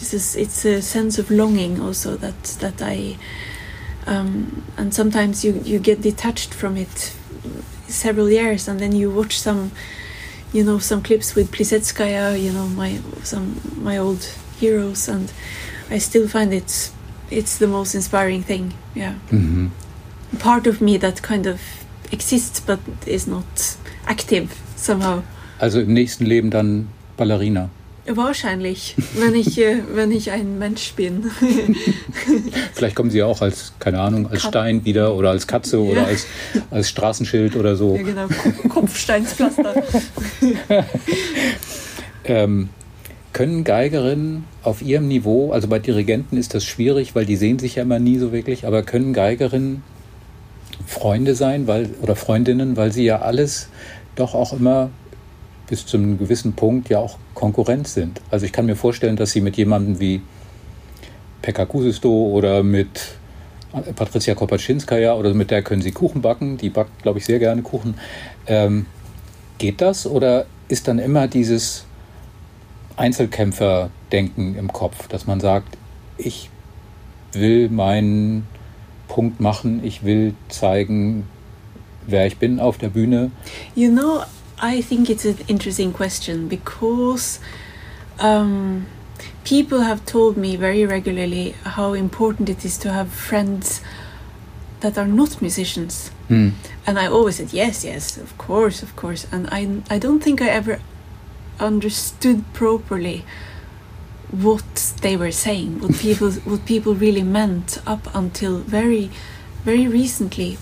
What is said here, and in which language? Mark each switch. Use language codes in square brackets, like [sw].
[en] It's a sense of longing also that I, and sometimes you get detached from it several years, and then you watch some, you know, some clips with Plisetskaya, you know, my old heroes, and I still find it's the most inspiring thing. Yeah. Mm-hmm. Part of me that kind of exists but is not active somehow. [de] Also im nächsten Leben dann Ballerina. Wahrscheinlich, wenn ich wenn ich ein Mensch bin. Vielleicht kommen Sie ja auch als, keine Ahnung, als Stein wieder oder als Katze oder als Straßenschild oder so. Ja, genau, Kopfsteinspflaster. Können Geigerinnen auf ihrem Niveau, also bei Dirigenten ist das schwierig, weil die sehen sich ja immer nie so wirklich, aber können Geigerinnen Freunde sein, weil, oder Freundinnen, weil sie ja alles doch auch immer bis zu einem gewissen Punkt ja auch Konkurrenz sind. Also ich kann mir vorstellen, dass Sie mit jemandem wie Pekka Kuusisto oder mit Patricia Kopaczynska, ja, oder mit der können Sie Kuchen backen, die backt, glaube ich, sehr gerne Kuchen. Geht das, oder ist dann immer dieses Einzelkämpfer-Denken im Kopf, dass man sagt, ich will meinen Punkt machen, ich will zeigen, wer ich bin auf der Bühne? [en] You know, I think it's an interesting question, because people have told me very regularly how important it is to have friends that are not musicians. And I always said, yes, yes, of course, of course. And I don't think I ever understood properly what they were saying, what people really meant, up until very, very recently.